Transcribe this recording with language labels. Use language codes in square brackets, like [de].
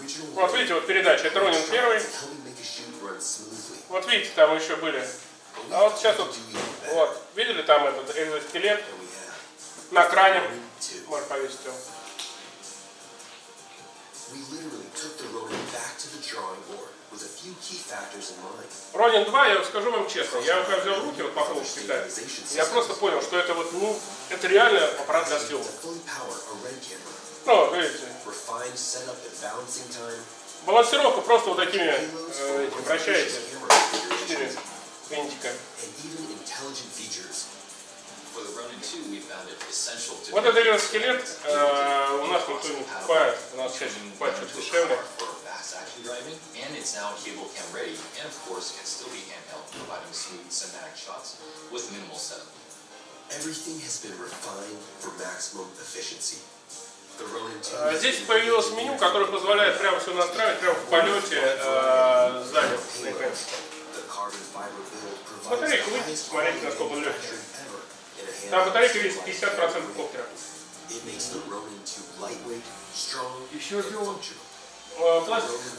[ru] Вот видите, вот передача. Это Ронин первый. Вот видите, там еще были. А вот сейчас вот, вот видели там этот экзоскелет на кране? Может повесить его. [en] We literally took the road back to [ru] Ронин 2, я скажу вам честно, я когда взял в руки, вот попробовал считать, я просто понял, что это вот, ну, это реально аппарат для съемок. Ну, видите. Балансировка просто вот такими, вращаете, 4 винтика. Вот это именно скелет, у нас никто не покупает, у нас сейчас покупает чуть дешевле. [en] And it's now cable cam ready, and of course can still be handheld, providing smooth cinematic shots with minimal setup. Everything has been refined for maximum efficiency. The Roland 2. [ru] Здесь появилось меню, которое позволяет прямо все настраивать прямо в полете сзади. Смотри, смотрите, насколько легкий. Там батарейка весит 50% коптера. [en] It makes the Roland 2 lightweight, strong, and functional.